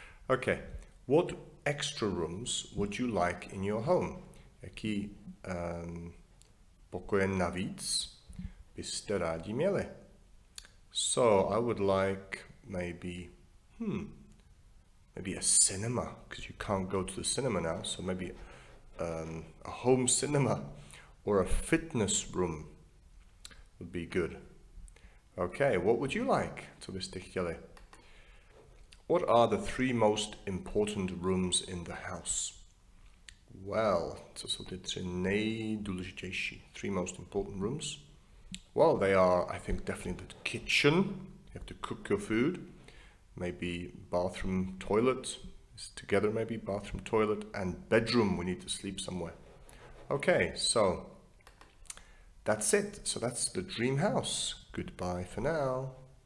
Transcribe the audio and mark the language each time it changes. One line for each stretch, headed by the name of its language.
English: Okay, what extra rooms would you like in your home?
Czech: Jaký pokoje navíc byste rádi měli?
English: So, I would like maybe a cinema, because you can't go to the cinema now, so maybe a home cinema. Or a fitness room would be good. Okay, what would you like?
Czech: Co byste chtěli?
English: What are the 3 most important rooms in the house?
Czech: Well, co jsou ty 3 nejdůležitější?
English: 3 most important rooms? Well, they are, I think, definitely the kitchen. You have to cook your food. Maybe bathroom, toilet. It's together maybe, bathroom, toilet, and bedroom. We need to sleep somewhere. Okay, so that's it. So that's the dream house. Goodbye for now.